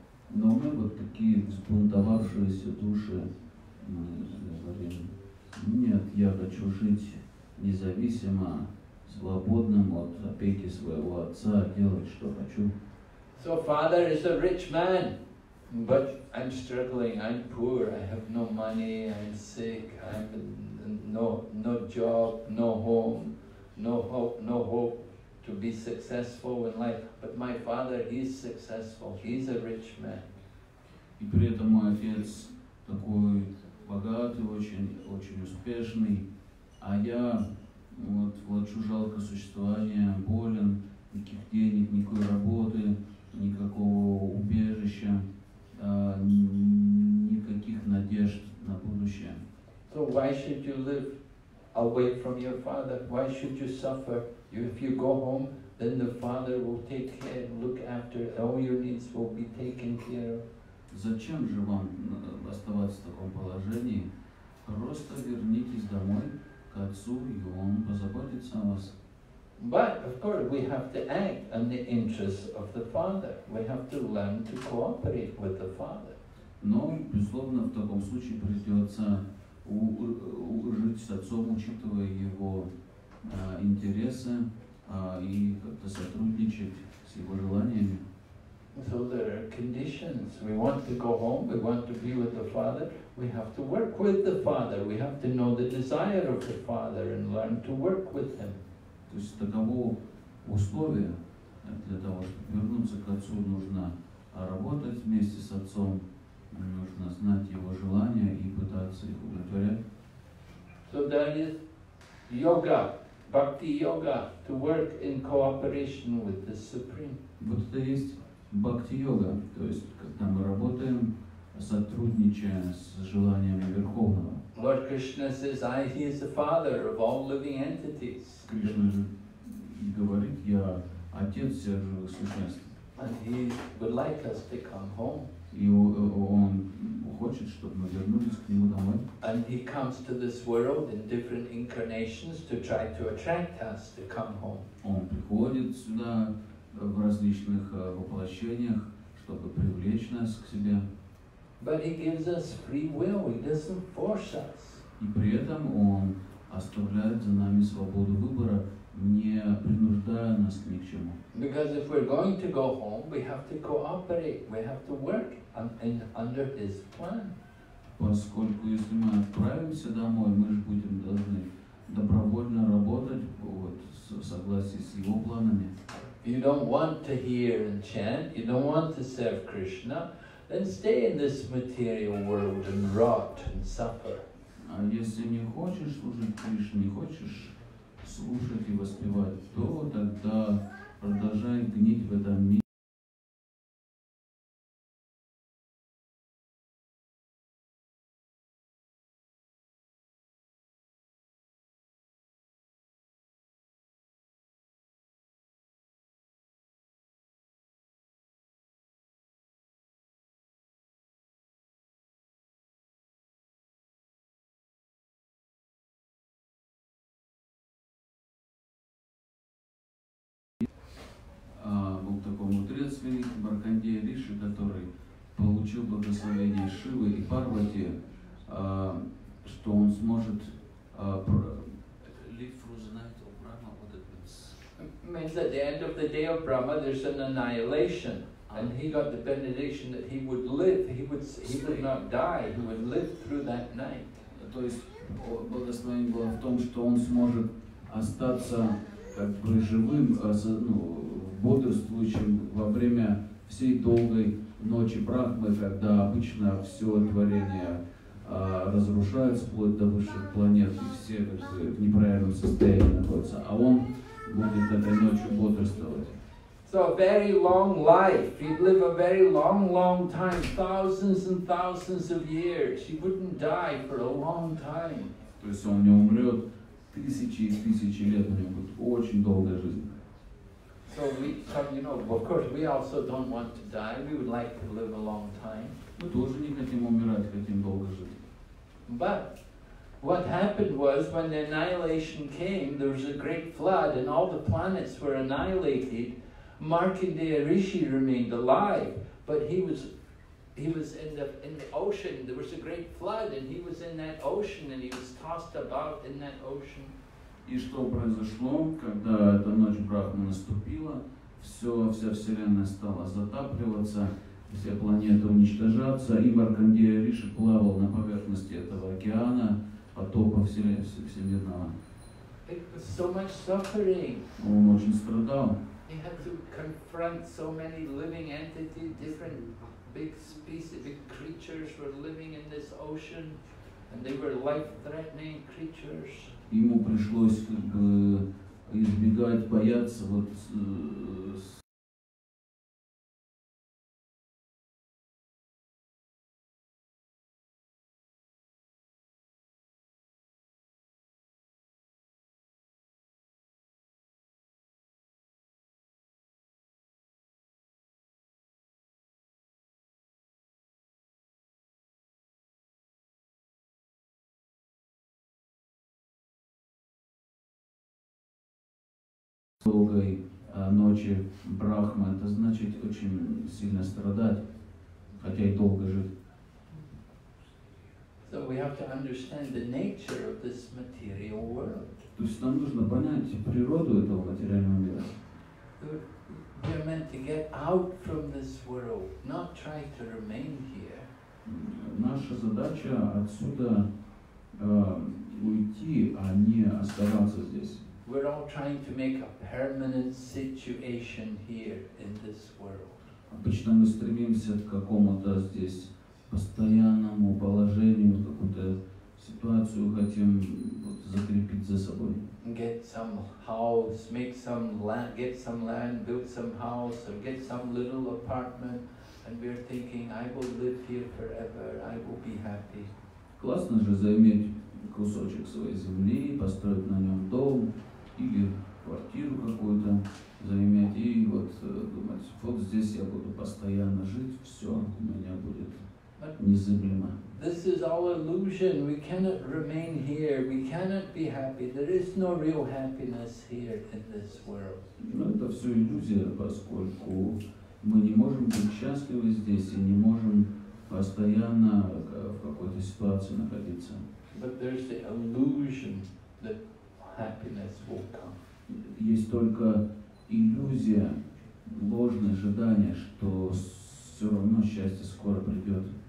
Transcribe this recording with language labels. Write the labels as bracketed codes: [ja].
[ru] Но мы вот такие взбунтовавшиеся души. Мы говорим, нет, я хочу жить независимо, свободным от опеки своего отца, делать, что хочу. [en] So father is a rich man. But I'm struggling, I'm poor, I have no money, I'm sick, I have no job, no home, no hope to be successful in life. But my father, he's successful, he's a rich man. [ru] И при этом мой отец такой богатый, очень успешный, а я вот влачу жалкое существование, болен, никаких денег, никакой работы, никакого убежища. Никаких надежд на будущее. [en] So why should you live away from your father? Why should you suffer? If you go home, then the father will take care and look after all your needs will be taken care of. [ru] Зачем же вам оставаться в таком положении? Просто вернитесь домой к отцу, и он позаботится о вас. [en] But of course we have to act in the interests of the father. We have to learn to cooperate with the father. [ru] Но безусловно в таком случае придется жить с отцом, учитывая его интересы и как-то сотрудничать с его желаниями. [en] So there are conditions. We want to go home. We want to be with the father. We have to work with the father. We have to know the desire of the father and learn to work with him. [ru] То есть таково условие для того, чтобы вернуться к отцу, нужно работать вместе с отцом, нужно знать его желания и пытаться их удовлетворять. [en] So that is yoga, bhakti yoga, to work in cooperation with the Supreme. [ru] Вот это есть бхакти йога, то есть когда мы работаем сотрудничая с желаниями Верховного. [en] Lord Krishna says, I, he is the father of all living entities. [ru] Кришна говорит, я отец всех живых существ. [en] And he would like us to come home. [ru] И он хочет, чтобы мы вернулись к нему домой. [en] And he comes to this world in different incarnations to try to attract us to come home. [ru] Он приходит сюда в различных воплощениях, чтобы привлечь нас к себе. [en] But he gives us free will, he doesn't force us. [ru] И при этом он оставляет за нами свободу выбора, не принуждая нас ни к чему. [en] Because if we're going to go home, we have to cooperate, we have to work under his plan. [ru] Поскольку если мы отправимся домой, мы же будем должны добровольно работать вот, в согласии с его планами. [en] You don't want to hear and chant, you don't want to serve Krishna, then stay in this material world and rot and suffer. [ru] А если не хочешь служить Кришне, не хочешь слушать и воспевать, то тогда продолжай гнить в этом мире. Был такой мудрец великий Бракандея Риши, который получил благословение Шивы и Парвати, что он сможет [en] live through the night of Brahma, what it means? Means at the end of the day of Brahma there's an annihilation. And he got the benediction that he would live, he would not die, he would live through that night. [ru] То есть благословение было в том, что он сможет остаться как бы живым, бодрствующим во время всей долгой ночи Брахмы, когда обычно все творение разрушается вплоть до высших планет, и все в неправильном состоянии находятся, а он будет этой ночью бодрствовать. [en] So a very long life. He'd live a very long, long time, thousands and thousands of years. He wouldn't die for a long time. [ru] То есть он не умрет тысячи и тысячи лет, у него будет очень долгая жизнь. [en] So we, you know, of course, we also don't want to die. We would like to live a long time. [ru] Мы тоже не хотим умирать, хотим долго жить. [en] But what happened was when the annihilation came, there was a great flood, and all the planets were annihilated. Markandeya Rishi remained alive, but he was in the ocean. There was a great flood, and he was in that ocean, and he was tossed about in that ocean. [ru] И что произошло, когда эта ночь Брахмы наступила, вся Вселенная стала затапливаться, все планеты уничтожаться, и Маркандея Риши плавал на поверхности этого океана, потопа Вселенного. [en] So much suffering. [ru] Он очень страдал. [en] He had to confront so many living entities, different big species, big creatures were living in this ocean, and they were life-threatening creatures. [ru] Ему пришлось как бы избегать, бояться вот долгой ночи Брахмы, это значит очень сильно страдать, хотя и долго жить. [en] So we have to understand the nature of this material world. [ru] То есть нам нужно понять природу этого материального мира. [en] We are meant to get out from this world, not try to remain here. [ru] Наша задача отсюда уйти, а не оставаться здесь. [en] We're all trying to make a permanent situation here in this world. [ru] Обычно мы стремимся к какому-то здесь постоянному положению, какую-то ситуацию хотим вот, закрепить за собой. [en] Get some house, make some land, get some land, build some house, or get some little apartment, and we are thinking, I will live here forever, I will be happy. [ru] Классно же заиметь кусочек своей земли, построить на нем дом или квартиру какую-то заиметь и вот думать, вот здесь я буду постоянно жить, все у меня будет незыблемо. [en] This is all illusion. We cannot remain here. We cannot be happy. There is no real happiness here in this world. [ru] Ну это все иллюзия, поскольку мы не можем быть счастливы здесь и не можем постоянно в какой-то ситуации находиться. [en] But there's the illusion that happiness will come. [ru] Есть только иллюзия, ложное ожидание, что все равно счастье скоро придет.